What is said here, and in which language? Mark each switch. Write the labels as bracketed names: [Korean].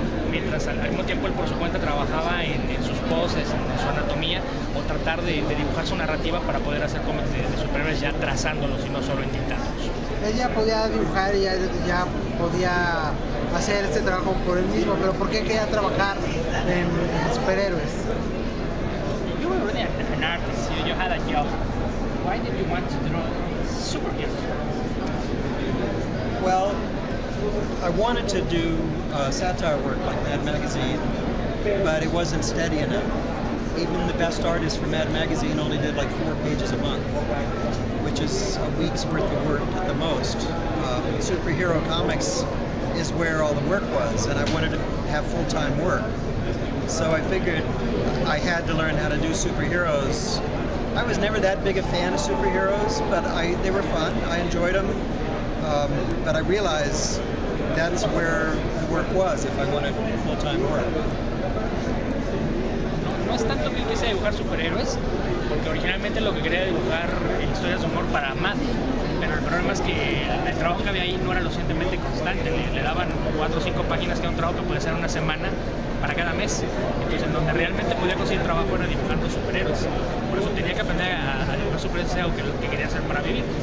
[Spanish] Mientras al mismo tiempo él por su cuenta trabajaba en sus poses, en su anatomía, o tratar de dibujar su narrativa para poder hacer cómics de superhéroes ya trazándolos y no solo en dictados. Él ya podía dibujar y ya podía hacer este trabajo por él mismo, pero ¿por qué quería trabajar en superhéroes? [English] You were really an artist, you had a job. Why did you want to draw superheroes? Well, I wanted to do satire work like Mad Magazine, but it wasn't steady enough. Even the best artist for Mad Magazine only did like 4 pages a month, which is a week's worth of work at the most. Superhero comics is where all the work was, and I wanted to have full-time work. So I figured I had to learn how to do superheroes. I was never that big a fan of superheroes, but they were fun. I enjoyed them. But I realized that's where the work was if I wanted full-time work. [Spanish] No es tanto que quise dibujar superhéroes, porque originalmente lo que quería dibujar historias de humor para Mad, pero el problema es que el trabajo que había ahí no era lo suficientemente constante. Le daban 4 o 5 páginas, que era un trabajo que podía ser una semana para cada mes. Entonces, en donde realmente podía conseguir trabajo era dibujando superhéroes. Por eso tenía que aprender a dibujar superhéroes, sea lo que quería hacer para vivir.